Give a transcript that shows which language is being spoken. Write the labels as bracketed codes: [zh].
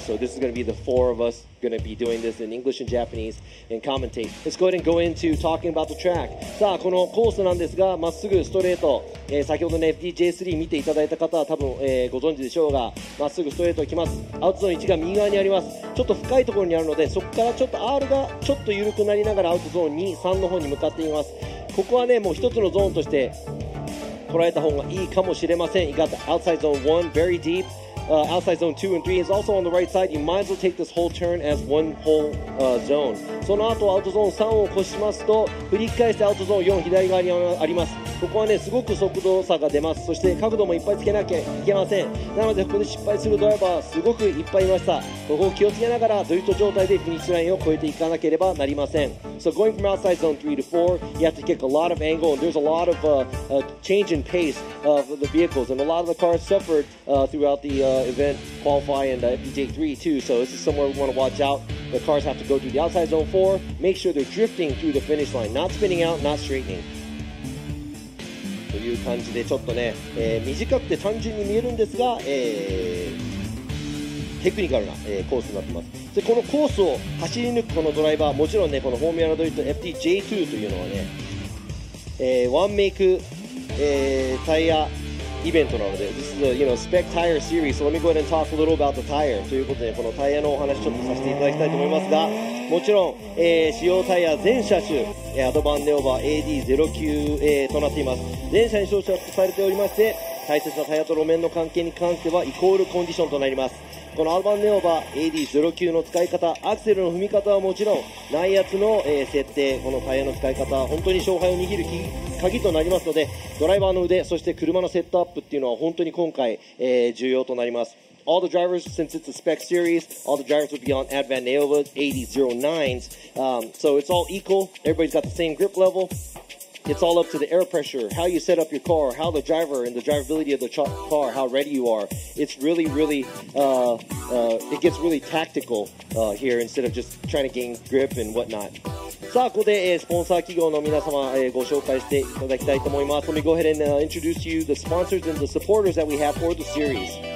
[en] So this is going to be the four of us going to be doing this in English and Japanese and commentate. Let's go ahead and go into talking about the track. [ja] さあこのコースなんですが、まっすぐストレート、先ほどの FDJ3 見ていただいた方は多分、ご存知でしょうが、まっすぐストレート行きます。アウトゾーン1が右側にあります。ちょっと深いところにあるので、そこからちょっと R がちょっと緩くなりながらアウトゾーン2、3の方に向かっています。ここはねもう一つのゾーンとして捉えた方がいいかもしれません。 [en] You got the outside zone 1, very deep. Outside zone 2 and 3 is also on the right side. You might as well take this whole turn as one whole zone. [ja] その後アウトゾーン3を越しますと、振り返してアウトゾーン4、左側にあります。ここはねすごく速度差が出ます。そして角度もいっぱいつけなきゃいけません。なのでここで失敗するドライバーすごくいっぱいいました。ここを気をつけながらドリフト状態でフィニッシュラインを越えていかなければなりません。 [en] So going from outside zone 3 to 4 you have to kick a lot of angle and there's a lot of change in pace of the vehicles and a lot of the cars suffered throughout the event qualify and FDJ3 too. So this is somewhere we want to watch out. The cars have to go through the outside zone 4, make sure they're drifting through the finish line, not spinning out, not straightening. [ja] という感じでちょっとね、短くて単純に見えるんですが、テクニカルな、コースになってます。でこのコースを走り抜くこのドライバー、もちろんねこのフォーミュラドリフト FDJ2 というのはね、ワンメイク、タイヤイベントなので [en] This is a, you know, spec tire series. So let me go ahead and talk a little about the tire. [ja] ということでこのタイヤのお話ちょっとさせていただきたいと思いますが、もちろん、使用タイヤ全車種アドバンネオーバー AD09A となっています。全車に装着されておりまして、大切なタイヤと路面の関係に関してはイコールコンディションとなります。このアドバンネオーバー AD09 の使い方、アクセルの踏み方はもちろん内圧の、設定、このタイヤの使い方は本当に勝敗を握る鍵となりますので、ドライバーの腕そして車のセットアップっていうのは本当に今回、重要となります。 [en] All the drivers, since it's a spec series, all the drivers will be on Advan Neova 8009s. So it's all equal. Everybody's got the same grip level. It's all up to the air pressure, how you set up your car, how the driver and the drivability of the car, how ready you are. It's really, really, it gets really tactical here instead of just trying to gain grip and whatnot. [ja] さあここで、スポンサー企業の皆様、ご紹介していただきたいと思います。 [en] Let me go ahead and introduce to you the sponsors and the supporters that we have for the series.